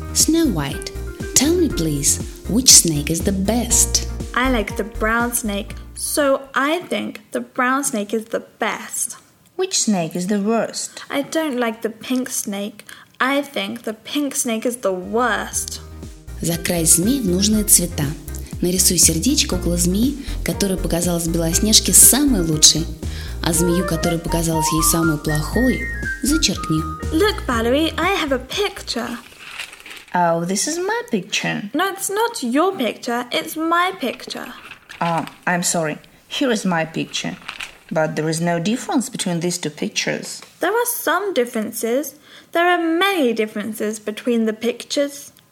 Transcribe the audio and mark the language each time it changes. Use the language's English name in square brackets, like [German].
[English] Snow White, tell me please, which snake is the best? I like the brown snake, so I think the brown snake is the best. Which snake is the worst? I don't like the pink snake. I think the pink snake is the worst. [Russian] Закрась змей в нужные цвета. Нарисуй сердечко около змеи, которая показалась Белоснежке самой лучшей. А змею, которая показалась ей самой плохой, зачеркни. [English] Look, Valerie, I have a picture. Oh, this is my picture. No, it's not your picture. It's my picture. I'm sorry. Here is my picture. But there is no difference between these two pictures. There are some differences. There are many differences between the pictures.